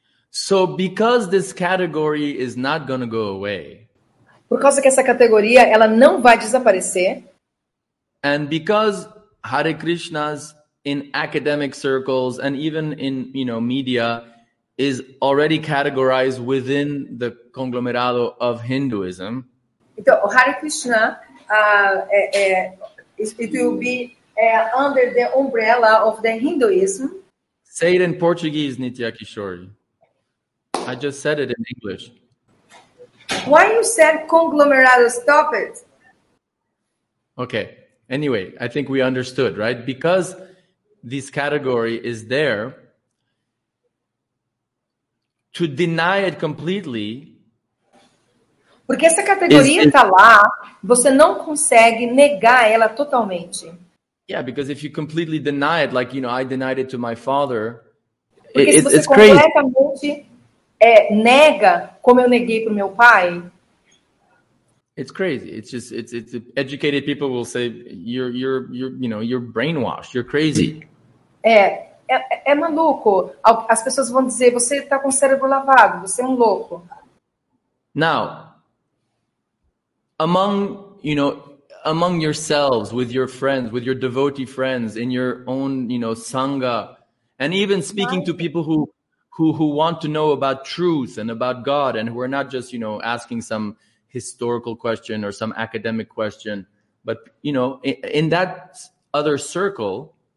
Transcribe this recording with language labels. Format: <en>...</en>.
<en>So because this category is not going to go away.</en> <pt>Por causa que essa categoria ela não vai desaparecer.</pt> <en>And because Hare Krishna's in academic circles and even in, you know, media is already categorized within the conglomerado of Hinduism. Então, Hare Krishna it will be under the umbrella of the Hinduism. Say it in Portuguese, Nitya Kishori. I just said it in English. Why you said conglomerado? Stop it. Okay. Anyway, I think we understood, right? Because this category is there, to deny it completely.</en> <pt>Porque essa categoria está lá, você não consegue negar ela totalmente.</pt> <en>Yeah, because if you completely deny it, like, you know, I denied it to my father, it's crazy.</en> <pt>Porque se você completamente nega como eu neguei para o meu pai.</pt> <en>It's crazy. It's just, it's educated people will say, you're brainwashed, you're crazy.</en> <pt>É maluco. As pessoas vão dizer, você está com o cérebro lavado, você é louco.</pt> <en>Now, among yourselves, with your friends, with your devotee friends, in your own, you know, sangha, and even speaking to people who want to know about truth and about God, and who are not just, you know, asking some historical question or some academic question, but, you know, in that other circle.</en>